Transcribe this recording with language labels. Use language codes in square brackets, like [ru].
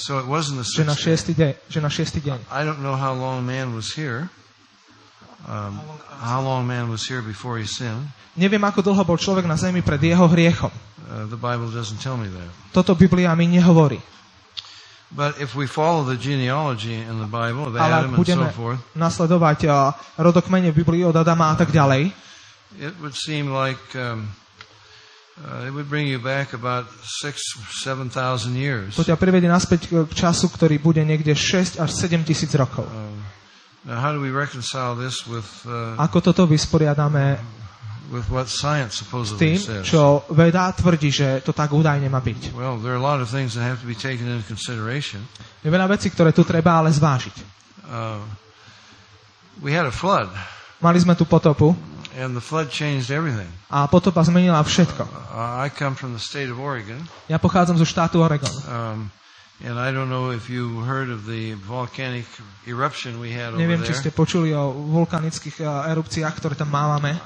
[en] So it wasn't the sixth day. [sk] Že na šiestý deň. [en] I don't know how long man was here. how long man was here before he sinned. [sk] Neviem, ako dlho bol človek na zemi pred jeho hriechom. [en] The Bible doesn't tell me that. [sk] Toto Biblia mi nehovorí. [en] But if we follow the genealogy in the Bible of Adam and so forth, [sk] nasledovať rodokmene v Biblii od Adama a tak ďalej, [en] it would seem like it would bring you back about 6-7,000 years. [sk] To ťa privedie naspäť k času, ktorý bude niekde 6 až 7 tisíc rokov. [en] Now how do we reconcile this with [sk] ako toto vysporiadame [en] with what science supposedly says. [sk] Čo veda tvrdí, že to tak údajne má byť. [en] Well, there are a lot of things that have to be taken into consideration. [sk] Je veľa vecí, ktoré tu treba ale zvážiť. [en] We had a flood. [sk] Mali sme tu potopu. [en] And the flood changed everything. [sk] A potopa zmenila všetko. [en] I come from the state of Oregon. [sk] Ja pochádzam zo štátu Oregon. [en] And I don't know if you heard of the volcanic eruption we had over there. [sk] Neviem, či ste počuli o vulkanických erupciách, ktoré tam mávame.